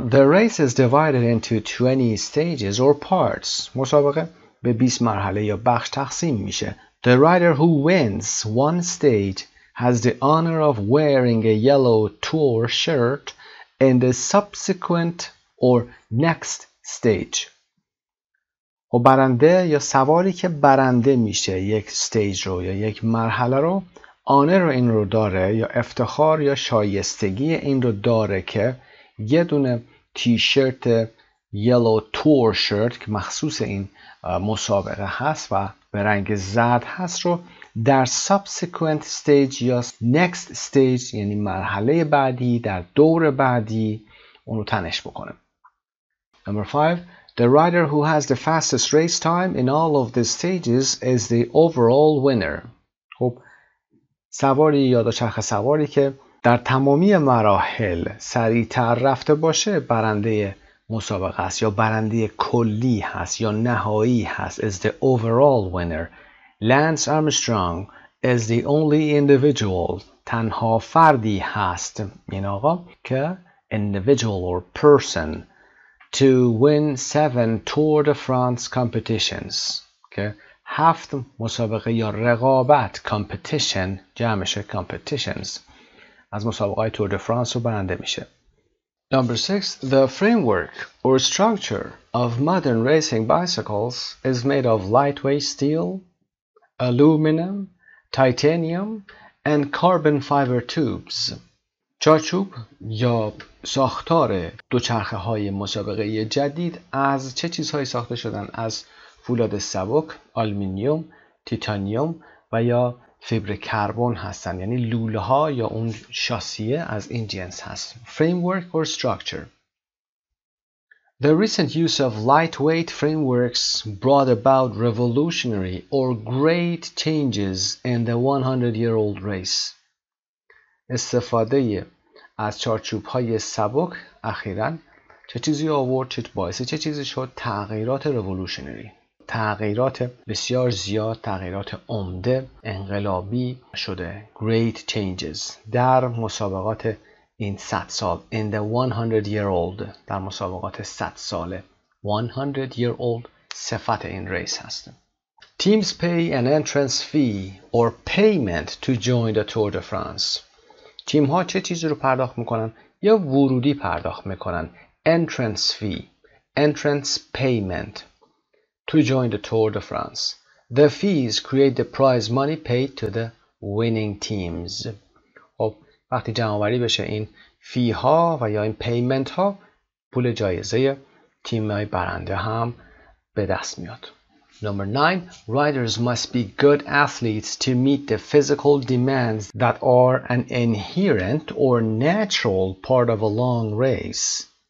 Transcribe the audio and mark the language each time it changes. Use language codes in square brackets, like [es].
[en] The race is divided into 20 stages or parts. [fa] مسابقه به 20 مرحله یا بخش تقسیم میشه. [en] The rider who wins one stage has the honor of wearing a yellow tour shirt in the subsequent or next stage. [fa] و برنده یا سواری که برنده میشه یک استیج رو یا یک مرحله رو آنر این رو داره یا افتخار یا شایستگی این رو داره که یه دونه تیشرت [en] yellow tour shirt [fa] که مخصوص این مسابقه هست و به رنگ زرد هست رو در [en] subsequent stage [fa] یا [en] next stage [fa] یعنی مرحله بعدی در دور بعدی اونو تنش بکنه. [en] Number 5. The rider who has the fastest race time in all of the stages is the overall winner. [fa] خب سواری یا دوچرخه سواری که در تمامی مراحل سریع‌تر رفته باشه برنده مسابقه هست یا برنده کلی هست یا نهایی هست [en] is the overall winner. Lance Armstrong is the only individual, [fa] تنها فردی هست این آقا که [en] individual or person to win 7 Tour de France competitions [fa] که 7 مسابقه یا رقابت competition جمعش competitions از مسابقه های Tour de France رو برنده میشه. [en] Number 6. The framework or structure of modern racing bicycles is made of lightweight steel, aluminum, titanium and carbon fiber tubes. [fa] چارچوب یا ساختار دوچرخه های مسابقه جدید از چه چیزهایی ساخته شدن؟ از فولاد سبک، آلومینیوم، تیتانیوم و یا فیبر کربن هستن، یعنی لوله ها یا اون شاسیه از این جنس هست. [en] Framework or structure. The recent use of lightweight frameworks brought about revolutionary or great changes in the 100-year-old race. [fa] استفاده از چارچوب های سبک اخیراً چه چیزی آورد، چه باعث چه چیزی شد؟ تغییرات revolutionary، تغییرات بسیار زیاد، تغییرات عمده، انقلابی شده. [en] Great changes [fa] در مسابقات این 100 سال. [en] In the 100 year old [fa] در مسابقات 100 ساله. [en] 100 year old [fa] صفت این ریس هست. [en] Teams pay an entrance fee or payment to join the Tour de France. [fa] تیم ها چه چیزی رو پرداخت میکنن؟ یا ورودی پرداخت میکنن. [en] Entrance fee. Entrance payment. To join the Tour de France. The fees create the prize money paid to the winning teams. [fa] خب وقتی جمع‌آوری بشه این فی‌ها و یا این پیمنت‌ها پول جایزه تیم‌های برنده هم به دست میاد. [en] Number 9, riders must be good athletes to meet the physical demands that are an inherent or natural part of a long race.